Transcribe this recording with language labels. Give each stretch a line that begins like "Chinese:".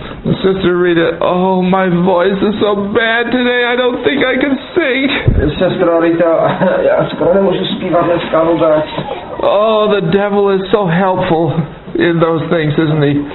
English: Sister Rita, oh, my voice is so bad today, I don't think I can sing.
Czech: Sestro Rita, já skoro nemůžu zpívat dneska vůbec.
English: Oh, the devil is so helpful in those things, isn't he?